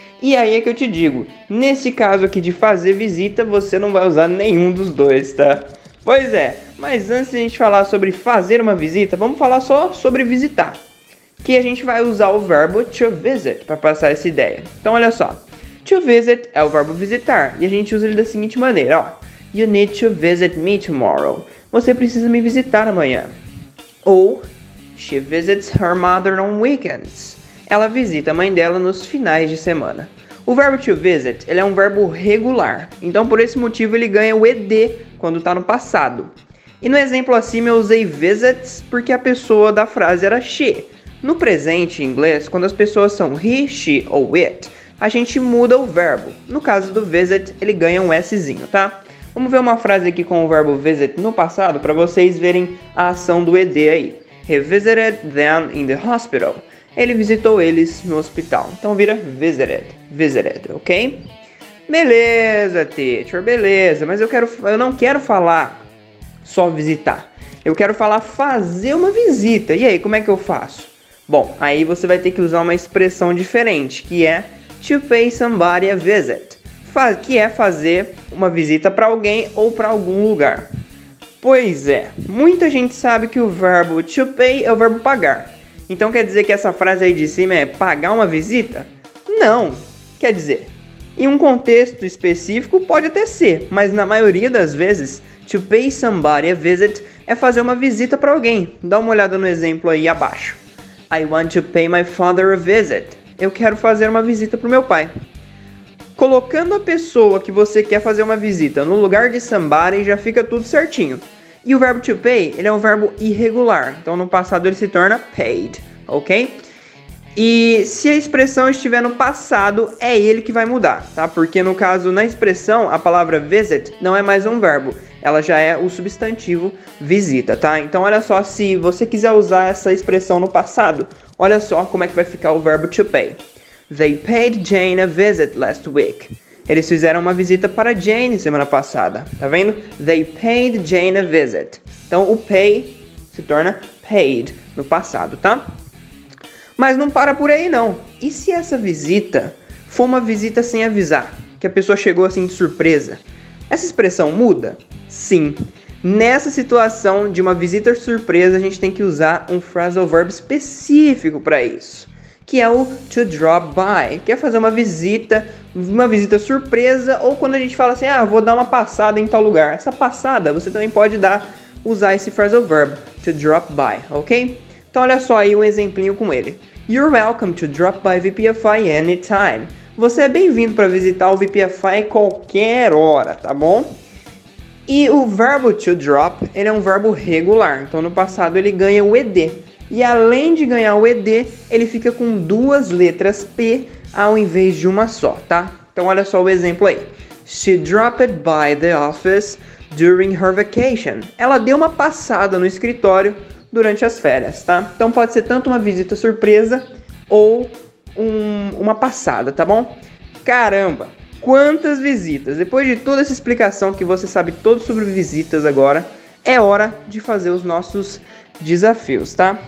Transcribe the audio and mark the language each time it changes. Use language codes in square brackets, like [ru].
[pt] E aí é que eu te digo, nesse caso aqui de fazer visita, você não vai usar nenhum dos dois, tá? Pois é, mas antes de a gente falar sobre fazer uma visita, vamos falar só sobre visitar. Que a gente vai usar o verbo to visit para passar essa ideia. Então olha só, to visit é o verbo visitar e a gente usa ele da seguinte maneira, ó. [en] You need to visit me tomorrow. [pt] Você precisa me visitar amanhã. Ou, [en] she visits her mother on weekends. [pt] Ela visita a mãe dela nos finais de semana. O verbo to visit, ele é um verbo regular. Então por esse motivo ele ganha o ed quando tá no passado. E no exemplo acima eu usei visits porque a pessoa da frase era she. No presente, em inglês, quando as pessoas são he, she ou it, a gente muda o verbo. No caso do visit, ele ganha um szinho, tá? Vamos ver uma frase aqui com o verbo visit no passado para vocês verem a ação do ed aí. [en] He visited them in the hospital. [pt] Ele visitou eles no hospital. Então vira visited, visited, ok? Beleza, teacher, beleza. Mas eu não quero falar só visitar. Eu quero falar fazer uma visita. E aí, como é que eu faço? Bom, aí você vai ter que usar uma expressão diferente, que é [en] to pay somebody a visit. [pt] Que é fazer uma visita para alguém ou para algum lugar. Pois é, muita gente sabe que o verbo to pay é o verbo pagar. Então quer dizer que essa frase aí de cima é pagar uma visita? Não, quer dizer, em um contexto específico pode até ser, mas na maioria das vezes, [en] to pay somebody a visit [pt] é fazer uma visita para alguém. Dá uma olhada no exemplo aí abaixo. [en] I want to pay my father a visit. [pt] Eu quero fazer uma visita pro meu pai. Colocando a pessoa que você quer fazer uma visita no lugar de somebody já fica tudo certinho. E o verbo to pay, ele é um verbo irregular, então no passado ele se torna paid, ok? E se a expressão estiver no passado, é ele que vai mudar, tá? Porque no caso, na expressão, a palavra visit não é mais um verbo, ela já é o substantivo visita, tá? Então olha só, se você quiser usar essa expressão no passado, olha só como é que vai ficar o verbo to pay. [en] They paid Jane a visit last week. [pt] Eles fizeram uma visita para Jane semana passada, tá vendo? [en] They paid Jane a visit. [pt] Então o pay se torna paid no passado, tá? Mas não para por aí não. E se essa visita for uma visita sem avisar, que a pessoa chegou assim de surpresa? Essa expressão muda? Sim. Nessa situação de uma visita surpresa, a gente tem que usar um phrasal verb específico para isso, que é o to drop by, que é fazer uma visita surpresa, ou quando a gente fala assim, ah, vou dar uma passada em tal lugar. Essa passada, você também pode usar esse phrasal verb, to drop by, ok? Então olha só aí um exemplinho com ele. [en] You're welcome to drop by VPFI anytime. [pt] Você é bem-vindo para visitar o VPFI qualquer hora, tá bom? E o verbo to drop, ele é um verbo regular, então no passado ele ganha o ed. E além de ganhar o ED, ele fica com duas letras P ao invés de uma só, tá? Então olha só o exemplo aí. [en] She dropped by the office during her vacation. [pt] Ela deu uma passada no escritório durante as férias, tá? Então pode ser tanto uma visita surpresa ou uma passada, tá bom? Caramba, quantas visitas! Depois de toda essa explicação que você sabe todo sobre visitas agora, é hora de fazer os nossos desafios, tá?